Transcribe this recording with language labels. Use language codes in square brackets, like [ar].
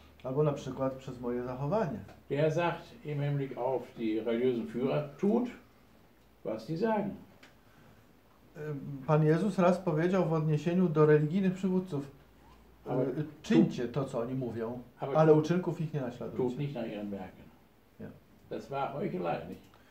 [pl] Albo na przykład przez moje zachowanie. [de] Der sagt im Hinblick auf die religiösen Führer, tut, was sie sagen. [pl] Pan Jezus raz powiedział w odniesieniu do religijnych przywódców, czyńcie to, co oni mówią, ale uczynków ich nie naśladujcie. [de] Tut nicht nach ihren Werken. Das war heuchelei, nicht?